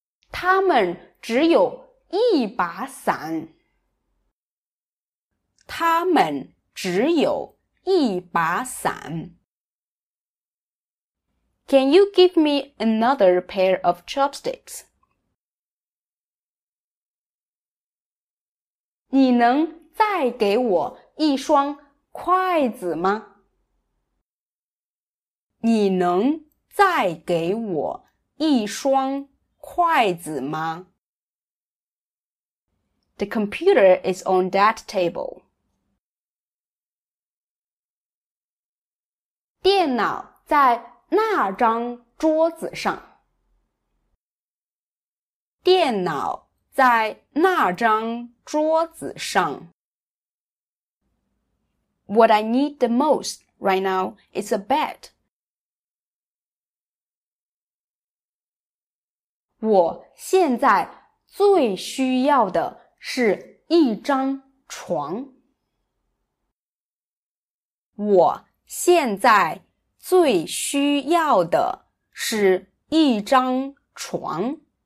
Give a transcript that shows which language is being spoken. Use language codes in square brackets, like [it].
[zh] 他们只有一把伞。他们只有一把伞。 [en] Can you give me another pair of chopsticks? [zh] 你能再给我一双筷子吗？你能再给我一双筷子吗？ [en] The computer is on that table. [zh] 电脑在那张桌子上。电脑在那张桌子上。 [en] What I need the most right now is a bed. [zh] 我现在最需要的是一张床。我现在最需要的是一张床。